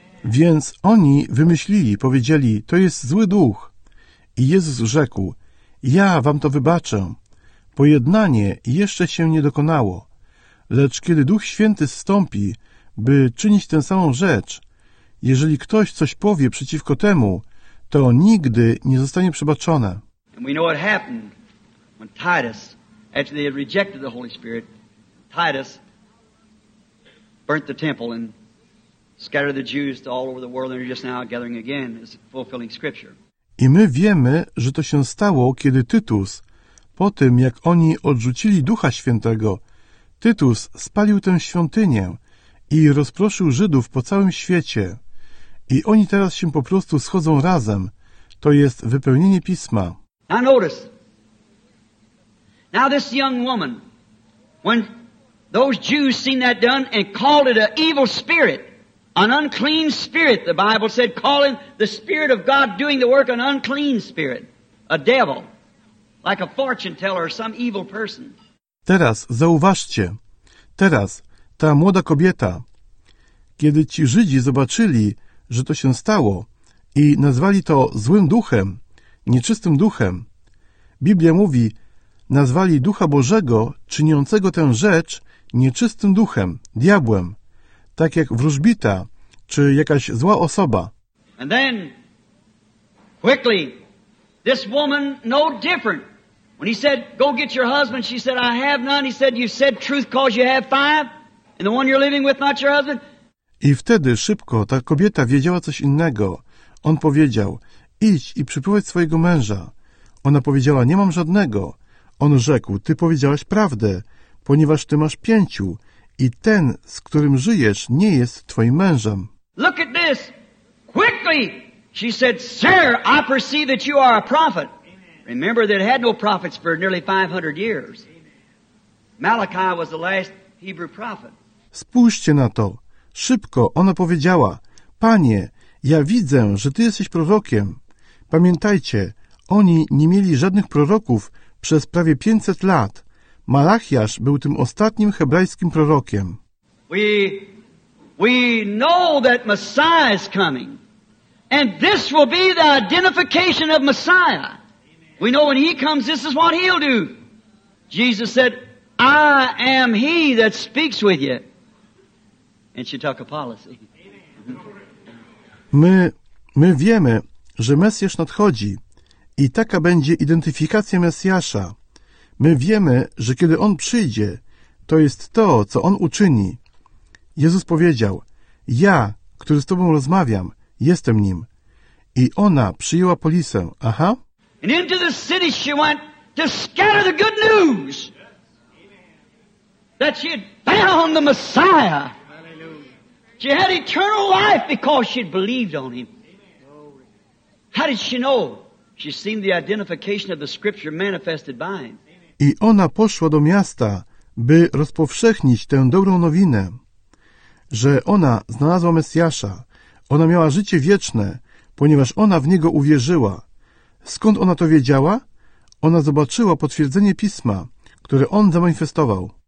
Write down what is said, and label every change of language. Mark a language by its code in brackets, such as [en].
[pl] Więc oni wymyślili, powiedzieli, to jest zły duch. I Jezus rzekł, ja wam to wybaczę. Pojednanie jeszcze się nie dokonało. Lecz kiedy Duch Święty zstąpi, by czynić tę samą rzecz, jeżeli ktoś coś powie przeciwko temu, to nigdy nie zostanie przebaczone. [en] And we know what happened when Titus, after they had rejected the Holy Spirit, Titus burnt the temple and scattered the Jews to all over the world and are just now gathering again is fulfilling scripture. [pl] I my wiemy, że to się stało, kiedy Tytus, po tym jak oni odrzucili Ducha Świętego, Tytus spalił tę świątynię i rozproszył Żydów po całym świecie. I oni teraz się po prostu schodzą razem. To jest wypełnienie Pisma. [en] Now notice. Now this young woman, when those Jews seen that done and called it an evil spirit, an unclean spirit, the Bible said, calling the spirit of God doing the work an unclean spirit, a devil, like a fortune teller or some evil person. [pl] Teraz zauważcie, teraz ta młoda kobieta, kiedy ci Żydzi zobaczyli, że to się stało i nazwali to złym duchem, nieczystym duchem, Biblia mówi, nazwali Ducha Bożego, czyniącego tę rzecz, nieczystym duchem, diabłem, tak jak wróżbita, czy jakaś zła osoba. [en] And then, quickly, this woman, no different. When he said, go get your husband, she said, I have none. He said, you said truth cause you have five, and the one you're living with not your husband. [pl] I wtedy szybko ta kobieta wiedziała coś innego. On powiedział, idź i przyprowadź swojego męża. Ona powiedziała, nie mam żadnego. On rzekł, ty powiedziałaś prawdę, ponieważ ty masz pięciu i ten, z którym żyjesz, nie jest twoim mężem. [en] Look at this. Quickly, she said, sir, I perceive that you are a prophet. Remember that had no prophets for nearly 500 years. Malachi was the last Hebrew prophet. [pl] Spójrzcie na to. Szybko ona powiedziała, panie, ja widzę, że ty jesteś prorokiem. Pamiętajcie, oni nie mieli żadnych proroków przez prawie 500 lat. Malachiasz był tym ostatnim hebrajskim prorokiem. [en] We know that Messiah is coming. And this will be the identification of Messiah. We know when he comes, this is what he'll do. Jesus said, I am he that speaks with you. And she took a policy. [pl] My wiemy, że Mesjasz nadchodzi. I taka będzie identyfikacja Mesjasza. My wiemy, że kiedy On przyjdzie, to jest to, co On uczyni. Jezus powiedział, ja, który z Tobą rozmawiam, jestem Nim. I ona przyjęła polisę. Aha. [en] And into the city she went to scatter the good news. That she had found the Messiah. She had eternal life because she had believed on Him. How did she know? She seen the identification of the scripture manifested by him. [pl] I ona poszła do miasta, by rozpowszechnić tę dobrą nowinę, że ona znalazła Mesjasza. Ona miała życie wieczne, ponieważ ona w Niego uwierzyła. Skąd ona to wiedziała? Ona zobaczyła potwierdzenie Pisma, które On zamanifestował.